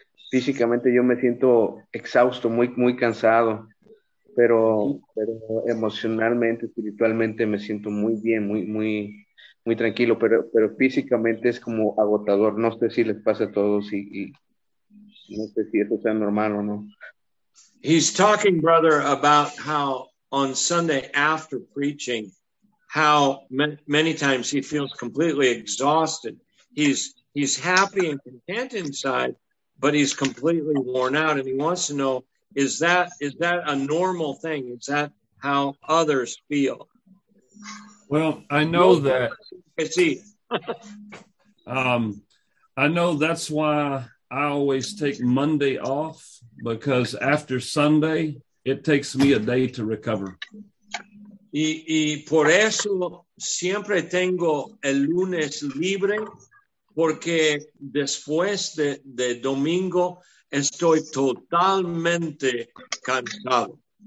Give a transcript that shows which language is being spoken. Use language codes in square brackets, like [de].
[es] Físicamente yo me siento exhausto, muy, muy cansado, pero emocionalmente, espiritualmente me siento muy bien, muy, muy, muy tranquilo, pero físicamente es como agotador. No sé si les pasa a todos y no sé si eso sea normal o no. [en] He's talking, brother, about how on Sunday after preaching, how many times he feels completely exhausted. He's happy and content inside, but he's completely worn out, and he wants to know, is that a normal thing? Is that how others feel? Well, I know that. I see. I know that's why I always take Monday off, because after Sunday, it takes me a day to recover. [es] Y por eso siempre tengo el lunes libre, porque después de domingo estoy totalmente cansado.